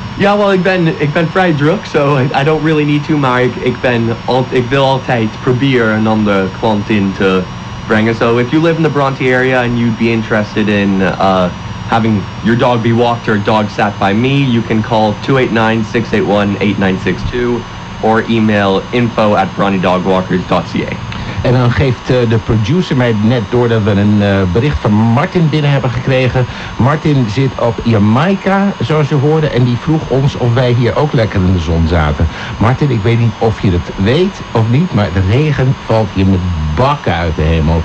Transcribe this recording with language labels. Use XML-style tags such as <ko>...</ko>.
<nl>Yeah, well, ik ben vrij druk,</nl> <en>so I don't really need to,</en> <nl>maar ik wil altijd proberen een andere klant in te brengen.</nl> <en>So if you live in the Bronte area and you'd be interested in having your dog be walked or a dog sat by me, you can call 289-681-8962 or email info@brontedogwalkers.ca.</en> <nl>En dan geeft de producer mij net door dat we een bericht van Martin binnen hebben gekregen. Martin zit op Jamaica, zoals je hoorde, en die vroeg ons of wij hier ook lekker in de zon zaten. Martin, ik weet niet of je het weet of niet, maar de regen valt je met bakken uit de hemel.</nl>